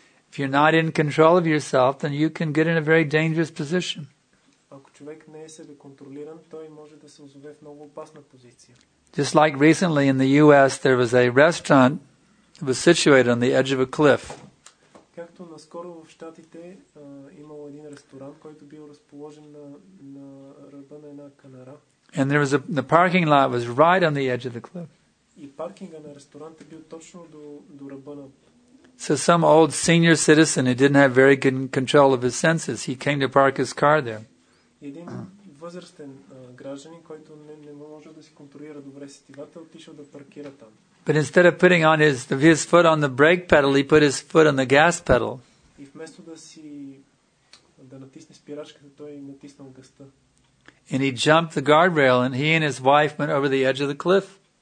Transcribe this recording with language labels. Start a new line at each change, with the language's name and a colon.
English: If you're not in control of yourself, then you can get in a very dangerous position.
Bulgarian: Ако човек не е себе контролиран, той може да се озове в много опасна позиция.
English: Just like recently in the US, there was a restaurant that was situated on the edge of a cliff.
Bulgarian: Както наскоро в Щатите имало един ресторант, който бил разположен на ръба на една канара.
English: And there was the parking lot was right on the edge of the cliff.
Bulgarian: И паркинга на ресторанта бил точно до ръба на.
English: So some old senior citizen who didn't have very good control of his senses, he came to park his car there.
Bulgarian: Един възрастен гражданин, който не може да си контролира добре сетивата, отишъл да паркира там.
English: But instead of putting on his foot on the brake pedal, he put his foot on the gas pedal.
Bulgarian: И вместо да натисне спирачката, той натиснал гъста.
English: And he jumped the guardrail and he and his wife went over the edge of the cliff.